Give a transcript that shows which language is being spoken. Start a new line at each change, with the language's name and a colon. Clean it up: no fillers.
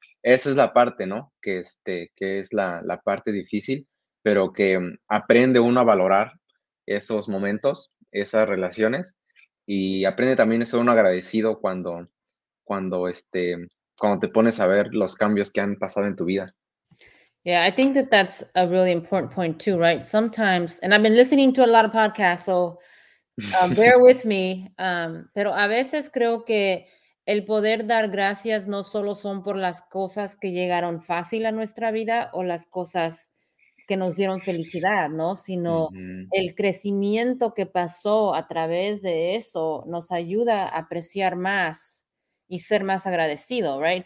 Spanish: Esa es la parte, ¿no? Que es la parte difícil, pero que aprende uno a valorar esos momentos, esas relaciones, y aprende también a ser uno agradecido cuando te pones a ver los cambios que han pasado en tu vida.
English: Yeah, I think that's a really important point too, right? Sometimes, and I've been listening to a lot of podcasts, so bear with me.
Spanish: Pero a veces creo que el poder dar gracias no solo son por las cosas que llegaron fácil a nuestra vida o las cosas que nos dieron felicidad, ¿no? Sino el crecimiento que pasó a través de eso nos ayuda a apreciar más y ser más agradecido,
English: right?